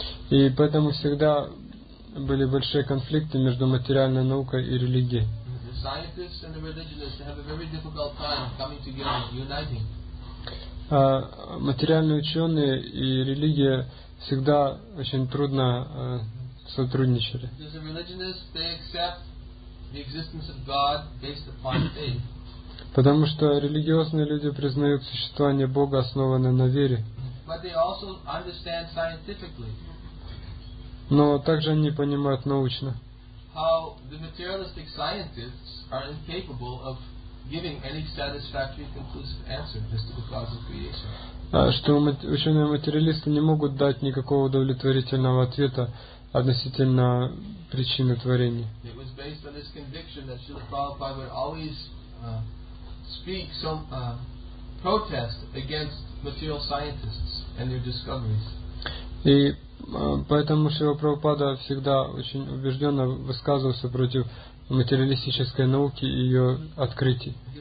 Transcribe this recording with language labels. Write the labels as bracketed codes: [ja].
[ru] И поэтому всегда были большие конфликты между материальной наукой и религией. [en] Scientists and the religionists have a very difficult time coming together, uniting. [ru] Материальные ученые и религия всегда очень трудно сотрудничали. [en] As a religionist, they accept the existence of God based upon faith. [ru] Потому что религиозные люди признают существование Бога, основанное на вере. [en] But they also understand scientifically. [ru] Но также они понимают научно. [en] How the materialistic scientists are incapable of giving any satisfactory conclusive answer as to the cause of creation. [ru] Что ученые-материалисты не могут дать никакого удовлетворительного ответа относительно причины творения. [en] It was based on this conviction that Srila Prabhupada would always speak some protest against material scientists and their discoveries. [ru] И поэтому Шрила Прабхупада всегда очень убежденно высказывался против материалистической науки и ее открытий.